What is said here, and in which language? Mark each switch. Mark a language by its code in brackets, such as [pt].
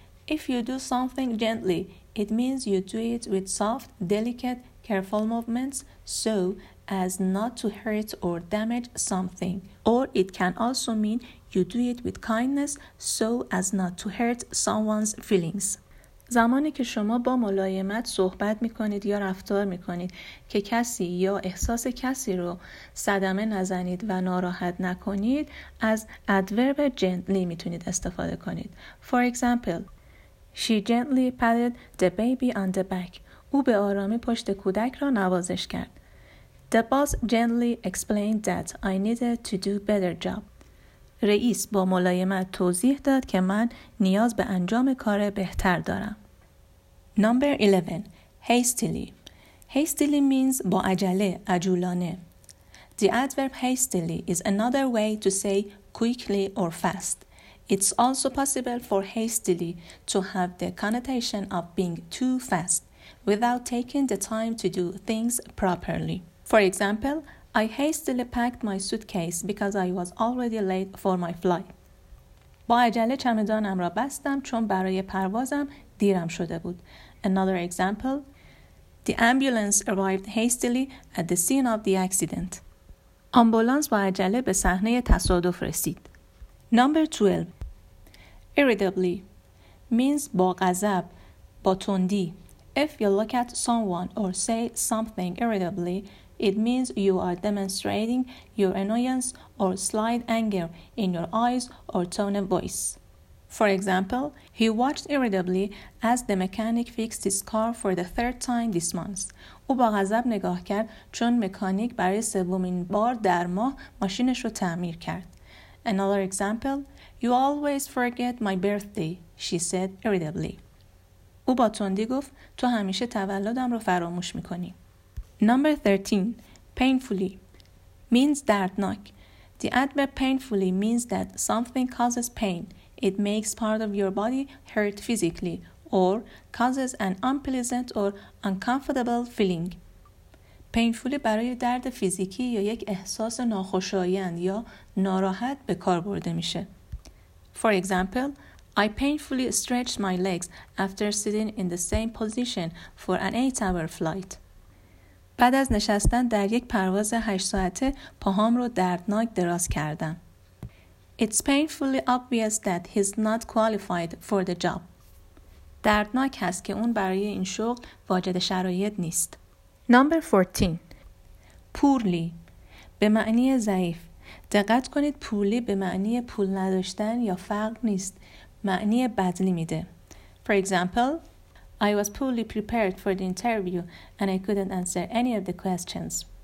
[en] If you do something gently, it means you do it with soft, delicate, careful movements so as not to hurt or damage something. Or it can also mean you do it with kindness so as not to hurt someone's feelings. [fa] زمانی که شما با ملایمت صحبت میکنید یا رفتار میکنید که کسی یا احساس کسی رو صدمه نزنید و ناراحت نکنید، از adverb gently میتونید استفاده کنید. [en] For example, she gently patted the baby on the back. [fa] او به آرامی پشت کودک را نوازش کرد. [en] The boss gently explained that I needed to do better job. [fa] رئیس با ملایمت توضیح داد که من نیاز به انجام کار بهتر دارم. [en] Number 11. Hastily. Hastily means [fa] با عجله، عجولانه. [en] The adverb hastily is another way to say quickly or fast. It's also possible for hastily to have the connotation of being too fast, without taking the time to do things properly. For example, I hastily packed my suitcase because I was already late for my flight. [fa] با عجله چمدانم را بستم چون برای پروازم دیرم شده بود. [en] Another example, the ambulance arrived hastily at the scene of the accident. [fa] آمبولانس با عجله به صحنه تصادف رسید. [en] Number 12. Irritably means [fa] با غضب، با تندی. [en] If you look at someone or say something irritably, it means you are demonstrating your annoyance or slight anger in your eyes or tone of voice. For example, he watched irritably as the mechanic fixed his car for the third time this month. [fa] او با غضب نگاه کرد چون مکانیک برای سومین بار در ماه ماشینش رو تعمیر کرد. [en] Another example, you always forget my birthday, she said irritably. [fa] او با تندی گفت تو همیشه تولدم رو فراموش میکنی. [en] Number 13, painfully means دردناک. The adverb painfully means that something causes pain. It makes part of your body hurt physically or causes an unpleasant or uncomfortable feeling. [fa] Painfully برای درد فیزیکی یا یک احساس ناخوشایند یا ناراحت به کار برده میشه. [en] For example, I painfully stretched my legs after sitting in the same position for an 8-hour flight. [fa] بعد از نشستن در یک پرواز 8 ساعته پاهام رو دردناک دراز کردم. [en] It's painfully obvious that he's not qualified for the job. [fa] دردناک هست که اون برای این شغل واجد شرایط نیست. [en] Number 14. Poorly. [fa] به معنی ضعیف. دقت کنید پولی به معنی پول نداشتن یا فقر نیست، معنی بدلی میده. [en] For example, I was poorly prepared for the interview and I couldn't answer any of the questions.